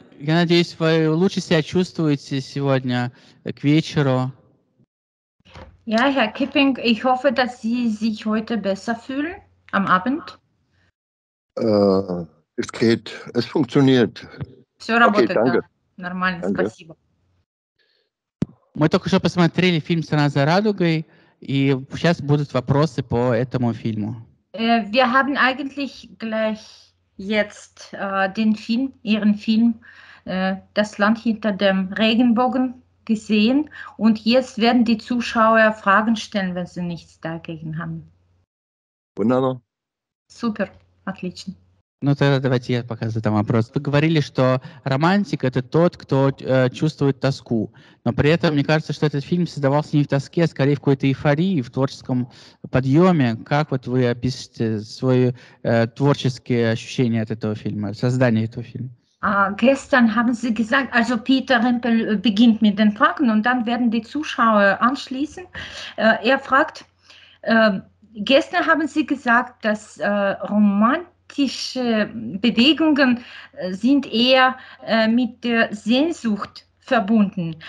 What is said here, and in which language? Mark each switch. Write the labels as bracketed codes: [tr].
[ru] Я надеюсь, вы лучше себя чувствуете сегодня к вечеру. [de] Ja, Herr Kipping, ich hoffe, dass Sie sich heute besser fühlen am Abend. Es geht, es funktioniert. [ru] Все работает, okay, да. Нормально, [de] danke. [ru] Спасибо. Мы только что посмотрели фильм «Страна за радугой», и сейчас будут вопросы по этому фильму. [de] Wir haben eigentlich gleich jetzt den Film, Ihren Film «Das Land hinter dem Regenbogen» gesehen und jetzt werden die Zuschauer Fragen stellen, wenn sie nichts dagegen haben. Wunderbar. [ru] Super, отлично. Ну тогда давайте я пока задам вопрос. Вы говорили, что романтик это тот, кто чувствует тоску, но при этом мне кажется, что этот фильм создавался не в тоске, а скорее в какой-то эйфории, в творческом подъеме. Как вот вы опишете свои творческие ощущения от этого фильма, создания этого фильма? [de] Gestern haben Sie gesagt, also Peter Rempel beginnt mit den Fragen und dann werden die Zuschauer anschließen. Er fragt, gestern haben Sie gesagt, dass romantische Bewegungen sind eher mit der Sehnsucht verbunden.